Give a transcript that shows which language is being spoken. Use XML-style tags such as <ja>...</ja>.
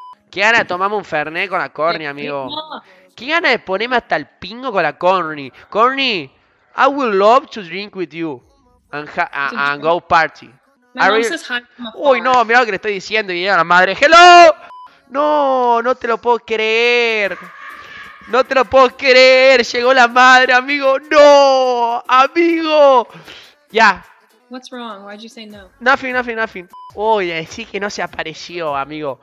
<es>¿Qué gana de tomarme un fernet con la Corny, amigo? ¿Qué gana de ponerme hasta el pingo con la Corny?</es> <en>Corny, I would love to drink with you and go party.</en> <es>Uy, no, mira lo que le estoy diciendo y a la madre. ¡Hello! No, no te lo puedo creer. No te lo puedo creer. Llegó la madre, amigo. ¡No! ¡Amigo! Ya.</es> <en>What's wrong? Why'd you say no?</en> <es>Nothing. Uy, decí que no se apareció, amigo.</es>